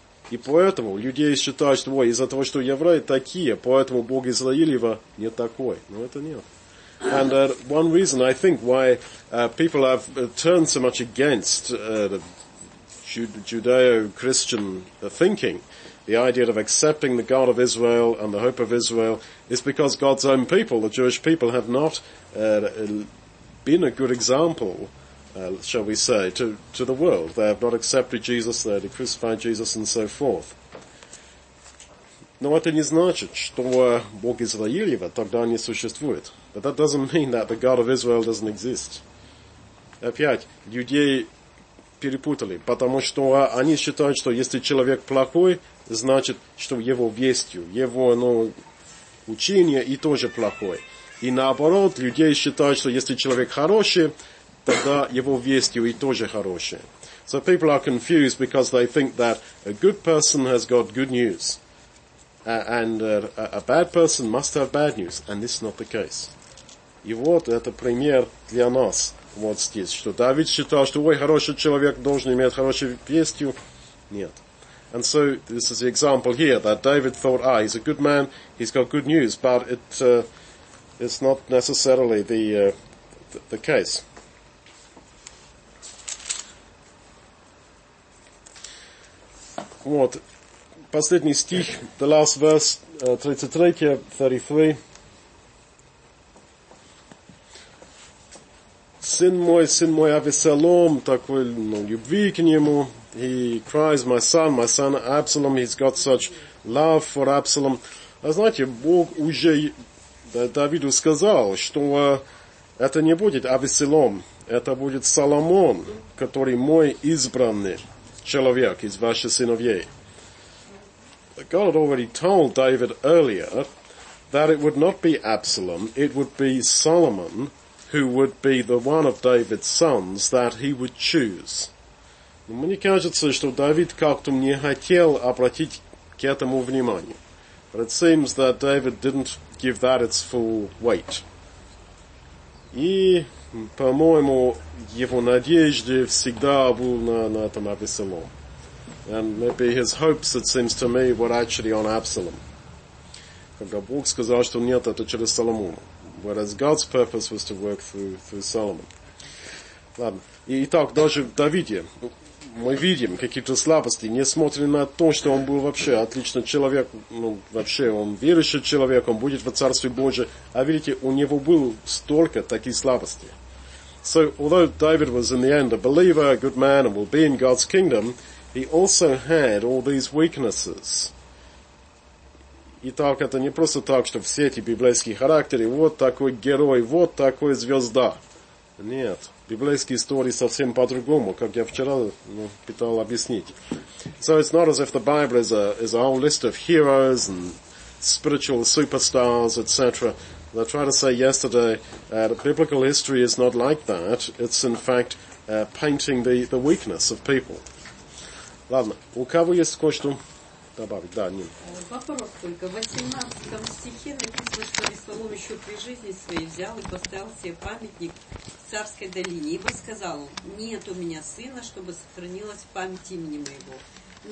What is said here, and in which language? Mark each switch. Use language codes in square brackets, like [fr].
[ru] И поэтому люди считают, что из-за того, что евреи такие, поэтому Бог Израилева не такой. Но это нет. [en] And one reason, I think, why people have turned so much against Judeo-Christian thinking, the idea of accepting the God of Israel and the hope of Israel, is because God's own people, the Jewish people, have not been a good example, shall we say, to the world. They have not accepted Jesus, they have crucified Jesus, and so forth. [ru] Но это не значит, что Бог Израилева тогда не существует. [en] But that doesn't mean that the God of Israel doesn't exist. [ru] Опять, люди перепутали, потому что они считают, что если человек плохой, значит, что его вестью, его учение и тоже плохое. И наоборот, люди считают, что если человек хороший, тогда его вестью и тоже хорошее. [en] So people are confused because they think that a good person has got good news. And a bad person must have bad news, and this is not the case. [ru] И вот это пример для нас, вот здесь, что Давид считал, что ой, хороший человек должен иметь хорошую вестью. Нет. [en] And so this is the example here that David thought, he's a good man, he's got good news, but it's not necessarily the case. [ru] Вот. Последний стих, [en] the last verse, [ru] 33. Сын мой, Авессалом, такой, любви к нему. [en] He cries, my son, Absalom, he's got such love for Absalom. [ru] А знаете, Бог уже Давиду сказал, что это не будет Авессалом, это будет Соломон, который мой избранный человек из ваших сыновей. [en] God had already told David earlier that it would not be Absalom, it would be Solomon who would be the one of David's sons that he would choose. [ru] Мне кажется, что Давид как-то не хотел обратить к этому внимание. [en] But it seems that David didn't give that its full weight. [ru] И, по-моему, его надежды всегда были на этом Абисалом. [en] And maybe his hopes, it seems to me, were actually on Absalom. [ru] Когда Бог сказал, что нет, это через Соломона. [en] Whereas God's purpose was to work through Solomon. [ru] Ладно. Итак, даже в Давиде мы видим какие-то слабости, несмотря на то, что он был вообще отличный человек, ну, вообще он верующий человек, он будет во Царстве Божьем. А видите, у него было столько таких слабостей. [en] So, although David was in the end a believer, a good man, and will be in God's kingdom, he also had all these weaknesses. [ru] Итак, это не просто так, что все эти библейские характеры, вот такой герой, вот такой звезда. Нет, библейские истории совсем по-другому, как я вчера пытался объяснить. [en] So it's not as if the Bible is a whole list of heroes and spiritual superstars, etc. As I tried to say yesterday, the biblical history is not like that. It's in fact painting the weakness of people. [ru] Ладно, у кого есть кое-что добавить? Да, Нина. Вопрос только. В 18 стихе написано, что Авессалом еще при жизни своей взял и поставил себе памятник в царской долине. Ибо сказал он, нет у меня сына, чтобы сохранилась память имени моего.